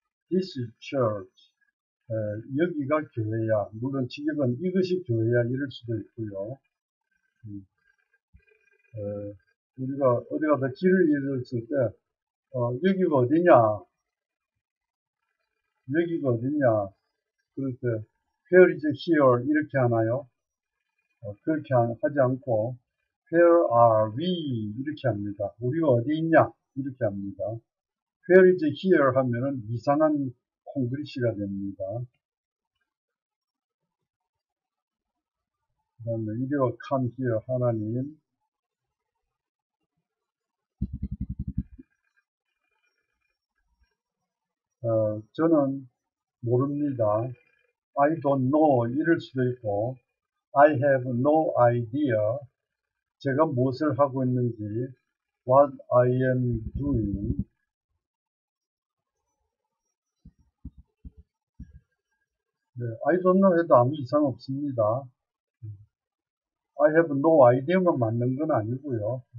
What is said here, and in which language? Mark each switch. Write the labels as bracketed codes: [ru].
[en] This is church. [ko] 여기가 교회야. 물론 직역은 이것이 교회야 이럴 수도 있고요. 우리가 어디 가다 길을 잃었을 때, 여기가 어디냐? 여기가 어디냐? 그럴 때, [en] Where is here? [ko] 이렇게 하나요? 그렇게 하지 않고, [en] Where are we? [ko] 이렇게 합니다. 우리가 어디 있냐? 이렇게 합니다. [en] Where is here? [ko] 하면은 이상한 콩글리시가 됩니다. 그 다음에, 이리로 [en] come here, [ko] 하나님. 저는 모릅니다. [en] I don't know. [ko] 이럴 수도 있고, [en] I have no idea. [ko] 제가 무엇을 하고 있는지, [en] what I am doing. [ko] 네, [en] I don't know [ko] 해도 아무 이상 없습니다. [en] I have no idea [ko] 만 맞는 건 아니고요.